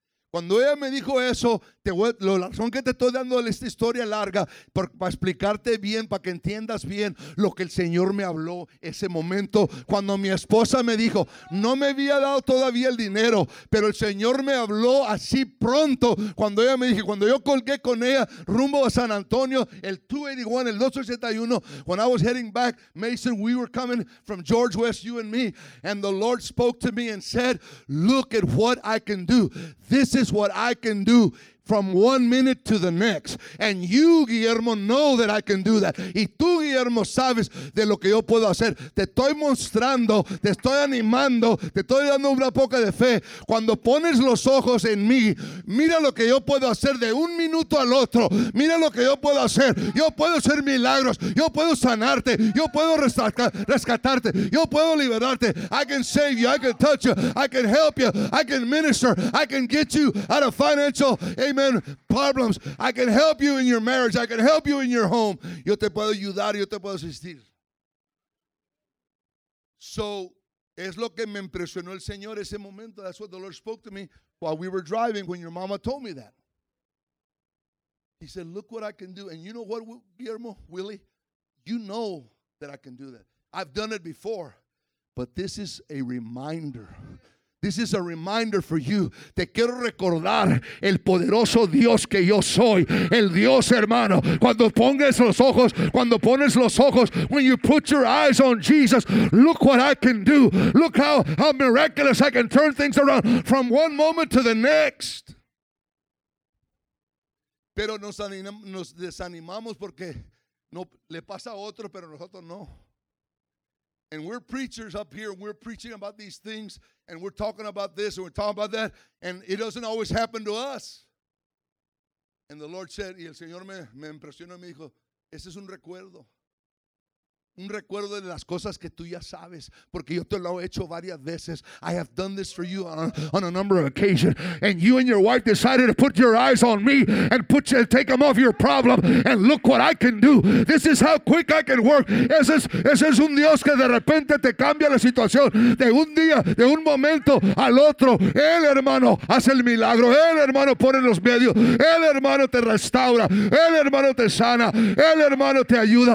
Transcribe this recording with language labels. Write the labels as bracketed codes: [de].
[es] Cuando ella me dijo eso, la razón que te estoy dando es esta historia larga, para explicarte bien, para que entiendas bien lo que el Señor me habló ese momento. Cuando mi esposa me dijo, no me había dado todavía el dinero, pero el Señor me habló así pronto. Cuando ella me dijo, cuando yo colgué con ella rumbo a San Antonio, el 281, [en] el 281, when I was heading back, Mason, we were coming from George West, you and me, and the Lord spoke to me and said, look at what I can do. This is what I can do from one minute to the next. And you, Guillermo, know that I can do that. [es] Y tú, Guillermo, sabes de lo que yo puedo hacer. Te estoy mostrando, te estoy animando, te estoy dando una poca de fe. Cuando pones los ojos en mí, mira lo que yo puedo hacer de un minuto al otro. Mira lo que yo puedo hacer. Yo puedo hacer milagros. Yo puedo sanarte. Yo puedo rescatarte. Yo puedo liberarte. [en] I can save you. I can touch you. I can help you. I can minister. I can get you out of financial, amen, problems. I can help you in your marriage. I can help you in your home. [es] Yo te puedo ayudar. Yo te puedo asistir. So, es lo que me impresionó el Señor ese momento. [en] That's what the Lord spoke to me while we were driving when your mama told me that. He said, look what I can do. And you know what, Guillermo, Willie? You know that I can do that. I've done it before. But this is a reminder. This is a reminder for you. [es] Te quiero recordar el poderoso Dios que yo soy. El Dios, hermano. Cuando pones los ojos, [en] cuando pones los ojos, when you put your eyes on Jesus, look what I can do. Look how miraculous I can turn things around from one moment to the next. [es] Pero nos desanimamos porque no le pasa a otro, pero nosotros no. [en] And we're preachers up here, and we're preaching about these things, and we're talking about this, and we're talking about that, and it doesn't always happen to us. And the Lord said, [es] y el Señor me impresionó y me dijo, ese es un recuerdo. Un recuerdo de las cosas que tú ya sabes, porque yo te lo he hecho varias veces. [en] I have done this for you on a number of occasions. And you and your wife decided to put your eyes on me and take them off your problem. And look what I can do. This is how quick I can work. [es] Ese es un Dios que de repente te cambia la situación. De un día, de un momento al otro, el hermano hace el milagro. El hermano pone los medios. El hermano te restaura. El hermano te sana. El hermano te ayuda.